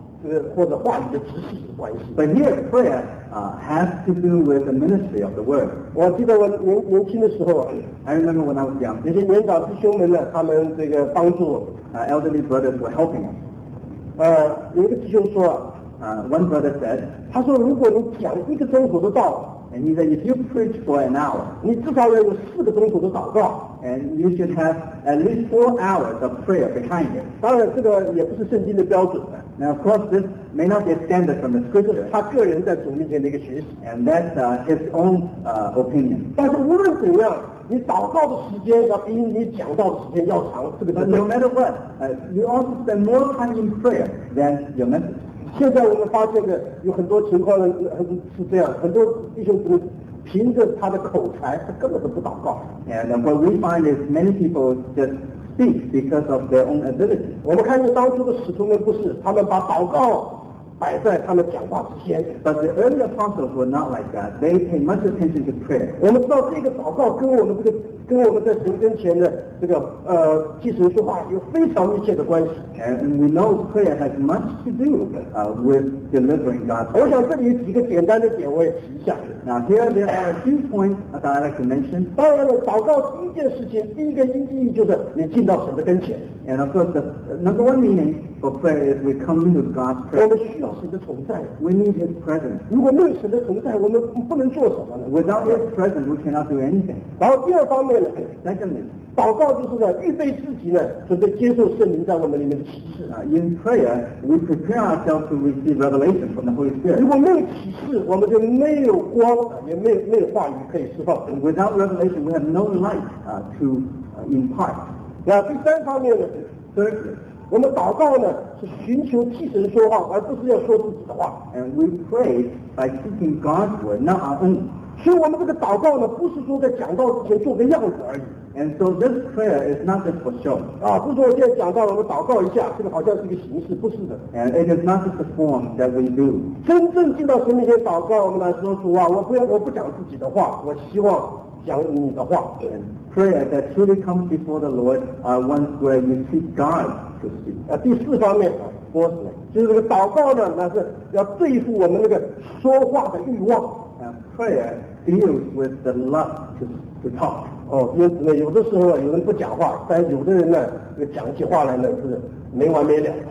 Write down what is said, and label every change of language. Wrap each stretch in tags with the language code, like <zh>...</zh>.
<zh>但是呢，我们在这里呢，讲这个祷告是特别跟这个讲道，或者话语的直系有关系。</zh> <en>But here, prayer has to do with the ministry of the word.</en> <zh>我记得我年轻的时候啊，</zh> <en>I remember when I was young.</en> <zh>那些年长弟兄们呢，他们这个帮助我。</zh> <en>Elderly brothers were helping us.</en> <zh>有一个弟兄说，</zh> <en>one brother said,</en> <zh>他说如果你讲1个钟头的道，</zh> <en>and he said, if you preach for an hour,</en> <zh>你至少要有4个钟头的祷告，</zh> <en>and you should have at least 4 hours of prayer behind you.</en> <zh>当然这个也不是圣经的标准。</zh> <en>Now of course this may not be standard from the scripture.</en> <zh>这是他个人在主面前的一个学习。</zh> <en>And that's his own opinion.</en> <zh>但是无论怎样， 你祷告的时间要比你讲道的时间要长，这个是。</zh> <en>No matter what, you also spend more time in prayer than your message.</en> <zh>现在我们发现的有很多情况是这样，很多弟兄凭着他的口才，他根本都不祷告。</zh> <en>And what we find is many people just speak because of their own ability.</en> <zh>我们看见当初的使徒们不是，他们把祷告。摆在他们讲话之前。</zh> <en>But the early apostles were not like that. They paid much attention to prayer.</en> <zh>我们知道这个祷告跟我们这个跟我们在神跟前的这个即时说话有非常密切的关系。</zh> <en>And we know prayer has much to do with delivering God's word.</en> <zh>我想这里有几个简单的点我也提一下。</zh> <en>Now here there are a few points that I'd like to mention.</en> <zh>当然了，祷告第一件事情，第一个意义就是你进到神的跟前。</zh> <en>And of course, the number one meaning for prayer is we come into God's presence.</en> <zh>我们需要神的同在。</zh> <en>We need His presence.</en> <zh>如果没有神的同在，我们不能做什么呢</zh> <en>？Without His presence, we cannot do anything.</en> <zh>然后第二方面呢</zh> <en>？Secondly,</en> <zh>祷告就是呢，预备自己呢，准备接受圣灵在我们里面的启示。</zh> <en>In prayer, we prepare ourselves to receive revelation from the Holy Spirit.</en> <zh>如果没有启示，我们就没有光，也没有话语可以释放。</zh> <en>And without revelation, we have no light to impart.</en> <zh>那第三方面呢</zh> <en>？Thirdly，</en> <zh>我们祷告呢是寻求替神说话，而不是要说自己的话。</zh> <en>And we pray by seeking God's word, not our own.</en> <zh>所以我们这个祷告呢，不是说在讲道之前做个样子而已。</zh> <en>And so this prayer is not just for show.</en> <zh>啊，不是说我现在讲到了，我祷告一下，这个好像是一个形式，不是的。</zh> <en>And it is not just the form that we do.</en> <zh>真正进到神面前祷告，我们来说主啊，我不讲自己的话，我希望讲你的话。</zh> <en>Prayer that truly comes before the Lord are ones where you seek God to speak.</en> <zh>第四方面 ，</zh> <en>fourthly，</en> <zh>就是这个祷告呢，那是要对付我们那个说话的欲望。</zh> <en>And prayer deals with the lust to talk.</en> <zh>哦，因此呢，有的时候有人不讲话，但有的人呢，这个讲起话来呢是没完没了。</zh>